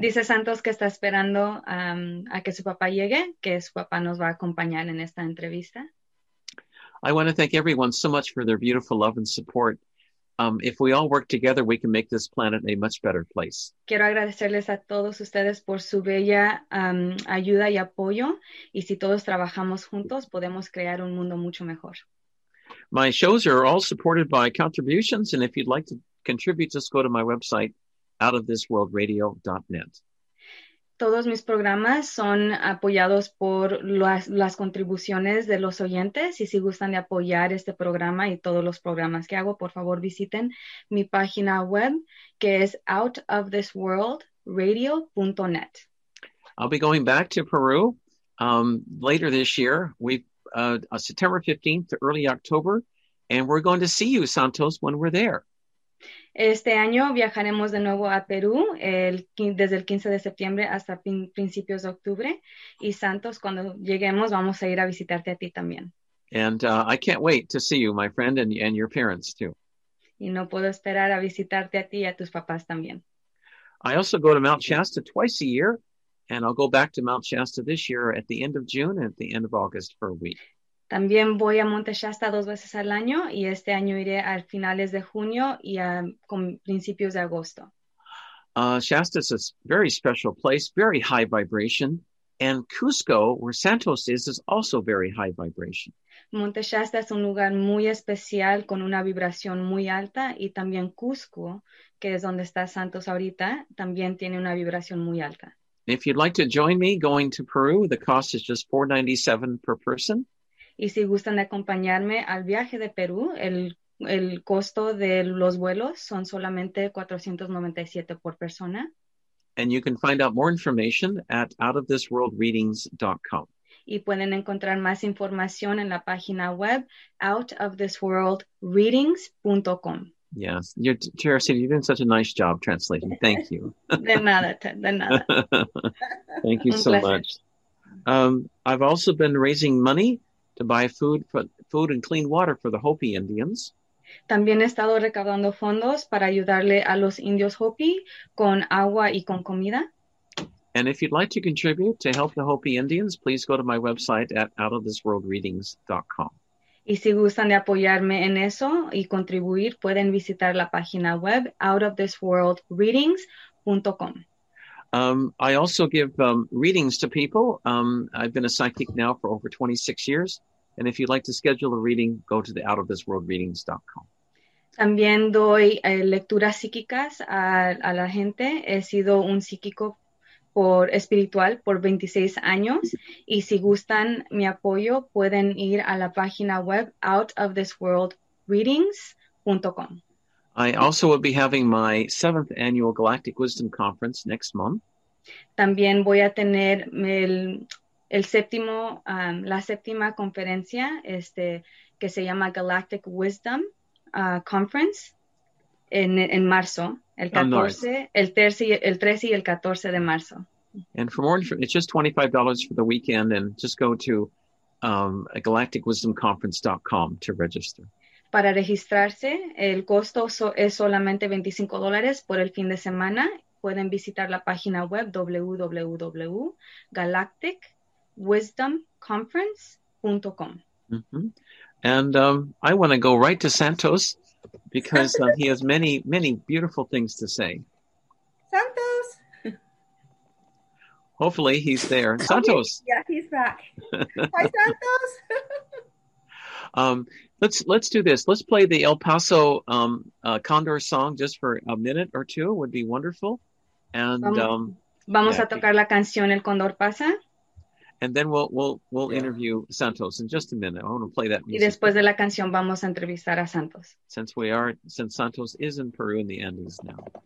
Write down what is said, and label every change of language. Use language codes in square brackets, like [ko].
[es] Dice Santos que está esperando a que su papá llegue, que su papá nos va a acompañar en esta entrevista. [en] I want to thank everyone so much for their beautiful love and support. If we all work together, we can make this planet a much better place. [es] Quiero agradecerles a todos ustedes por su bella ayuda y apoyo. Y si todos trabajamos juntos, podemos crear un mundo mucho mejor. [en] My shows are all supported by contributions, and if you'd like to contribute, just go to my website, outofthisworldradio.net. [es] Todos mis programas son apoyados por las contribuciones de los oyentes, y si gustan de apoyar este programa y todos los programas que hago, por favor visiten mi página web, que es outofthisworldradio.net. [en] I'll be going back to Peru later this year. We've September 15th to early October, and we're going to see you, Santos, when we're there. [es] Este año viajaremos de nuevo a Perú desde el 15 de septiembre hasta principios de octubre. Y Santos, cuando lleguemos, vamos a ir a visitarte a ti también. [en] And I can't wait to see you, my friend, and your parents too. [es] Y no puedo esperar a visitarte a ti y a tus papás también. [en] I also go to Mount Shasta twice a year, and I'll go back to Mount Shasta this year at the end of June and at the end of August for a week. [es] También voy a Monte Shasta dos veces al año y este año iré a finales de junio y a principios de agosto. [en] Shasta is a very special place, very high vibration. And Cusco, where Santos is also very high vibration. [es] Monte Shasta es un lugar muy especial con una vibración muy alta. Y también Cusco, que es donde está Santos ahorita, también tiene una vibración muy alta. [en] If you'd like to join me going to Peru, the cost is just $497 per person. [es] Y si gustan acompañarme al viaje de Perú, el costo de los vuelos son solamente $497 por persona. [en] And you can find out more information at outofthisworldreadings.com. [es] Y pueden encontrar más información en la página web outofthisworldreadings.com. [en] Yes, Teresita, you're doing such a nice job translating. Thank you. [es] De nada. [en] Thank you so much. I've also been raising money to buy food and clean water for the Hopi Indians. [es] También he estado recaudando fondos para ayudarle a los indios Hopi con agua y con comida. [en] And if you'd like to contribute to help the Hopi Indians, please go to my website at outofthisworldreadings.com. [es] Y si gustan de apoyarme en eso y contribuir, pueden visitar la página web outofthisworldreadings.com. [en] I also give readings to people. I've been a psychic now for over 26 years. And if you'd like to schedule a reading, go to the outofthisworldreadings.com. [es] También doy lecturas psíquicas a la gente. He sido un psíquico espiritual por 26 años. Y si gustan mi apoyo, pueden ir a la página web outofthisworldreadings.com. [en] I also will be having my 7th annual Galactic Wisdom Conference next month. [es] También voy a tener el séptimo, la séptima conferencia, que se llama Galactic Wisdom Conference en marzo, el 14, el 13 y el 14 de marzo. [en] And for more information, it's just $25 for the weekend, and just go to galacticwisdomconference.com to register. [es] Para registrarse, el costo es solamente $25 por el fin de semana. Pueden visitar la página web www.galacticwisdomconference.com. [en] I want to go right to Santos because he has many, many beautiful things to say. Santos! Hopefully he's there. Santos! Yeah, he's back. Hi, Santos! Let's do this. Let's play the El Paso Condor song just for a minute or two. It would be wonderful. [es] Vamos a tocar la canción El Condor Pasa. [en] And then we'll interview Santos in just a minute. I want to play that music. [es] Y después de la canción vamos a entrevistar a Santos. [en] Since Santos is in Peru in the Andes now.